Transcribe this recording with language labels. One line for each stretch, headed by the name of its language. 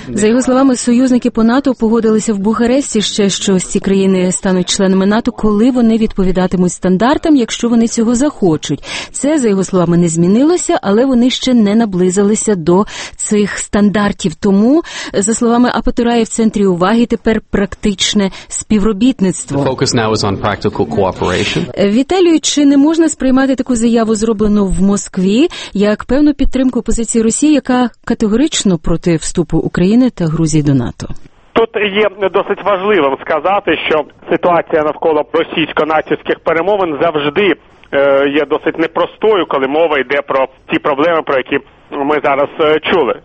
Ukrainian: За його словами, союзники по НАТО погодилися в Бухаресті ще, що ці країни стануть членами НАТО, то коли вони відповідатимуть стандартам, якщо вони цього захочуть. Це, за його словами, не змінилося, але вони ще не наблизилися до цих стандартів. Тому, за словами Апатурая, в центрі уваги тепер практичне співробітництво.
English: Focus now is on practical cooperation.
Ukrainian: Віталію, чи не можна сприймати таку заяву, зроблену в Москві, як певну підтримку позиції Росії, яка категорично проти вступу України та Грузії до НАТО? Тут є досить важливим сказати, що ситуація навколо російсько-нацистських перемовин завжди є досить непростою, коли мова йде про ті проблеми, про які ми зараз чули.